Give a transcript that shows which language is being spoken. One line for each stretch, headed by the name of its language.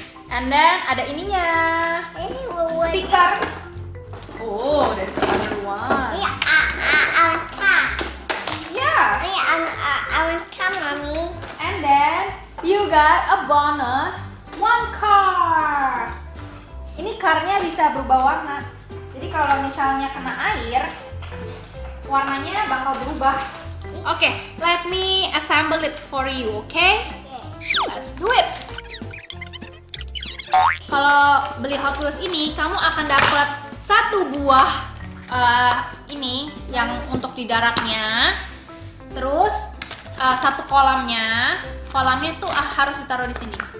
Indonesian: And then ada ininya. Stiker. Oh, dari Spider One. Iya, Alka. Yeah. Iya, Alka, mami.
English: And then you got a bonus one car.
Indonesian: Ini car-nya bisa berubah warna. Jadi kalau misalnya kena air, warnanya bakal berubah.
English: Oke, okay, let me assemble it for you, okay? Let's do it.
Indonesian: Kalau beli Hot Wheels ini, kamu akan dapat satu buah ini yang untuk di daratnya. Terus satu kolamnya. Kolamnya tuh harus ditaruh di sini.